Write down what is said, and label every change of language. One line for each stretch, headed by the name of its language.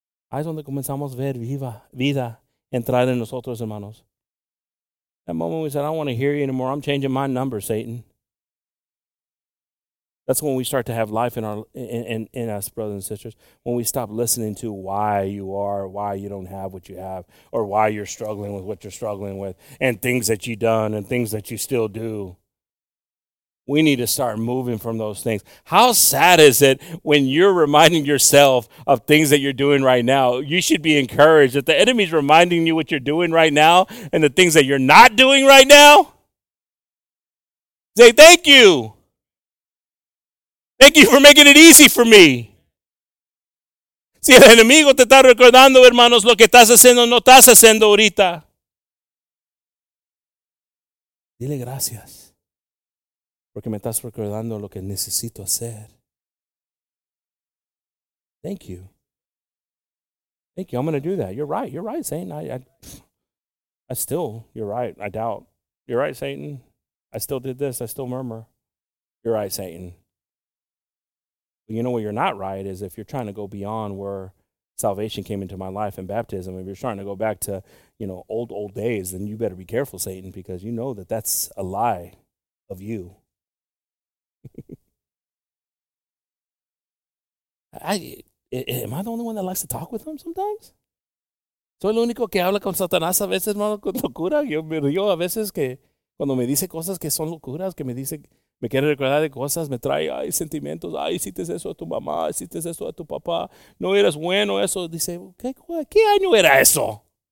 Spanish: Ahí es donde comenzamos a ver vida entrar en nosotros, hermanos.
English: That moment we said, I don't want to hear you anymore. I'm changing my number, Satan. That's when we start to have life in us, brothers and sisters. When we stop listening to why you are, why you don't have what you have, or why you're struggling with what you're struggling with, and things that you've done and things that you still do. We need to start moving from those things. How sad is it when you're reminding yourself of things that you're doing right now? You should be encouraged that the enemy's reminding you what you're doing right now and the things that you're not doing right now. Say, thank you. Thank you for making it easy for me.
Spanish: Si el enemigo te está recordando, hermanos, lo que estás haciendo, no estás haciendo ahorita. Dile gracias. Porque me estás recordando lo que necesito hacer.
English: Thank you. Thank you. I'm going to do that. You're right. You're right, Satan. You're right, Satan. I still did this. I still murmur. You're right, Satan. You know where you're not right is if you're trying to go beyond where salvation came into my life and baptism, if you're trying to go back to, you know, old days, then you better be careful, Satan, because you know that that's a lie of you. Am I the only one that likes to talk with him sometimes?
Spanish: Soy el único que habla con Satanás a veces, hermano, con locura. Yo me río a veces que cuando me dice cosas que son locuras, que me dice Me quiere recordar de cosas, me trae ay, sentimientos. Ay, hiciste eso a tu mamá, hiciste eso a tu papá. No eras bueno, eso. Dice, ¿qué año era eso?